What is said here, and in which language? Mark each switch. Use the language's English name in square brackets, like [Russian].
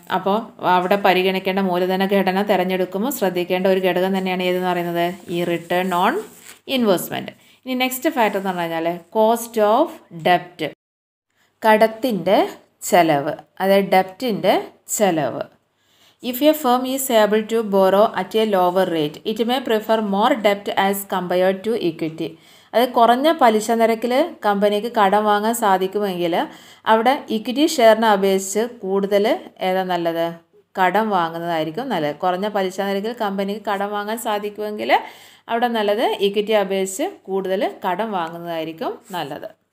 [Malayalam] അപ്പോൾ അവിടെ പരിഗണിക്കേണ്ട മൂലധന ഘടന തിരഞ്ഞെടുക്കുമ്പോൾ ശ്രദ്ധിക്കേണ്ട ഒരു ഘടകം തന്നെയാണ് ഏതെന്ന് പറയുന്നത്, ഈ റിട്ടേൺ ഓൺ ഇൻവെസ്റ്റ്മെൻറ്റ്. ഇനി നെക്സ്റ്റ് ഫാക്ടർ എന്ന് പറഞ്ഞാൽ കോസ്റ്റ് ഓഫ് ഡെപ്റ്റ്, കടത്തിൻ്റെ ചെലവ്, അതായത് ഡെപ്റ്റിൻ്റെ ചെലവ്. [English] If a firm is able to borrow at a lower rate, it may prefer more debt as compared to equity. [Malayalam] അതായത് കുറഞ്ഞ പലിശ നിരക്കിൽ കമ്പനിക്ക് കടം വാങ്ങാൻ സാധിക്കുമെങ്കിൽ അവിടെ ഇക്വിറ്റി ഷെയറിനെ അപേക്ഷിച്ച് കൂടുതൽ ഏതാ നല്ലത്, കടം വാങ്ങുന്നതായിരിക്കും നല്ലത്. കുറഞ്ഞ പലിശ നിരക്കിൽ കമ്പനിക്ക് കടം വാങ്ങാൻ സാധിക്കുമെങ്കിൽ അവിടെ നല്ലത് ഇക്വിറ്റി അപേക്ഷിച്ച് കൂടുതൽ കടം വാങ്ങുന്നതായിരിക്കും നല്ലത്.